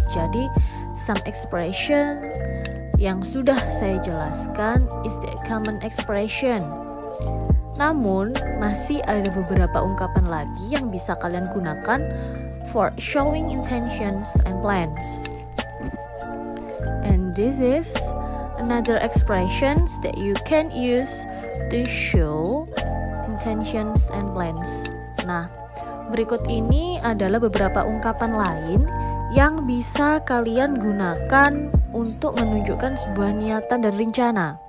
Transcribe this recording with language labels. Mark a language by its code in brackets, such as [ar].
[id] Jadi, [en] some expression [id] yang sudah saya jelaskan [en] is the common expression. [id] Namun, masih ada beberapa ungkapan lagi yang bisa kalian gunakan [en] for showing intentions and plans. And this is another expressions that you can use to show intentions and plans. [id] Nah, berikut ini adalah beberapa ungkapan lain yang bisa kalian gunakan untuk menunjukkan sebuah niatan dan rencana.